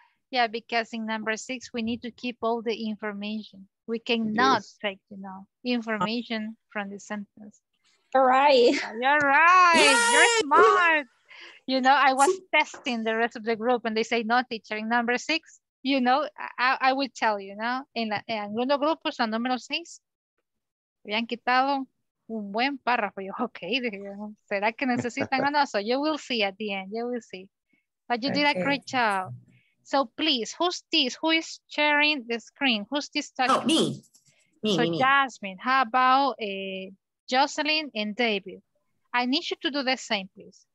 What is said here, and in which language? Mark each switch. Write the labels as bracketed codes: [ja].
[en] Yeah, because in number 6, we need to keep all the information. We cannot take, you know, information from the sentence. Right. You're right. Yay! You're smart. You know, I was testing the rest of the group and they say, no, teacher, in number 6, you know, I will tell you, no? [es] En algunos grupos, en número 6, habían quitado un buen párrafo. Okay, será que necesitan o no? [en] So you will see at the end, you will see. But you did a great job. So please, who's this? Who is sharing the screen? Who's this talking? Oh, me. So Jasmine, how about Jocelyn and David? I need you to do the same, please.